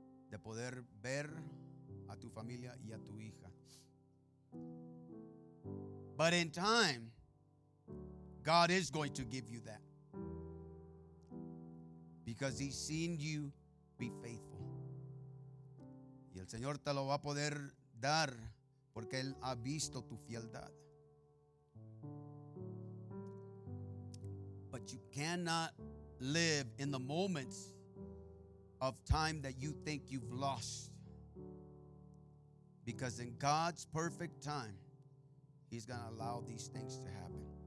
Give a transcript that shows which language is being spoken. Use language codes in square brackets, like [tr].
[es] De poder ver a tu familia y a tu hija. [en] But in time, God is going to give you that. Because he's seen you be faithful. [es] Y el Señor te lo va a poder dar porque Él ha visto tu fieldad. [en] But you cannot live in the moments of time that you think you've lost. Because in God's perfect time, He's going to allow these things to happen.